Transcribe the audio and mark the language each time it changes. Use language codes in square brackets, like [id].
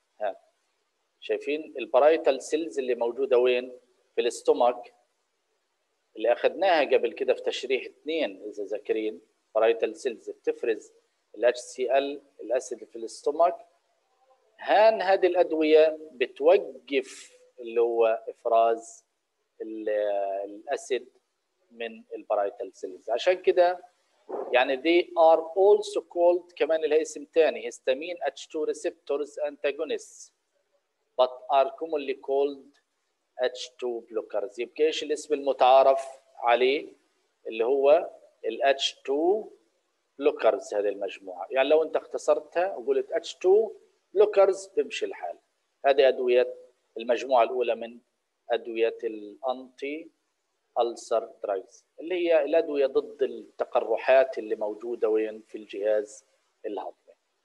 [ar] ها شايفين البرايتال سيلز اللي موجودة وين؟ في الاستومك، اللي أخذناها قبل كده في تشريح 2 إذا ذاكرين. برايتال سيلز بتفرز ال HCl الأسيد في الاستومك. هان هذه الأدوية بتوقف اللي هو إفراز الأسيد من البرايتال سيلز. عشان كده يعني [en] they are also called، [ar] كمان لها اسم تاني، [en] histamine H2 receptors antagonists but are commonly called H2 blockers. [ar] يبقى ايش الاسم المتعارف عليه؟ اللي هو ال H2 blockers. هذه المجموعة يعني لو انت اختصرتها وقلت H2 blockers بمشي الحال. هذه أدوية المجموعة الأولى من أدوية الأنتي ألسر درايز، اللي هي الأدوية ضد التقرحات اللي موجودة وين؟ في الجهاز الهضمي.